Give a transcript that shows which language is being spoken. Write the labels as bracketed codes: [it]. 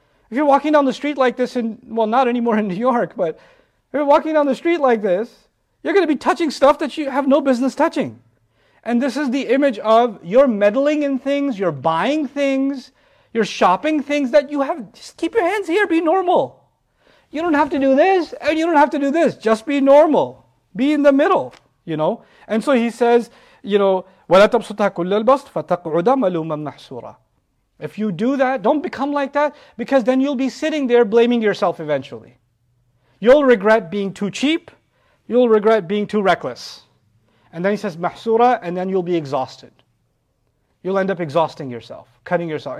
[en] If you're walking down the street like this in, well, not anymore in New York, but if you're walking down the street like this, you're going to be touching stuff that you have no business touching. And this is the image of you're meddling in things, you're buying things, you're shopping things that you have. Just keep your hands here, be normal. You don't have to do this, and you don't have to do this. Just be normal. Be in the middle, you know. And so he says, you know, [ar] وَلَا تَبْسُطَهَا كُلَّ الْبَسْطِ فَتَقْعُدَ مَلُومًا مَحْسُورًا. [en] If you do that, don't become like that, because then you'll be sitting there blaming yourself eventually. You'll regret being too cheap, you'll regret being too reckless. And then he says, mahsura, and then you'll be exhausted. You'll end up exhausting yourself, cutting yourself.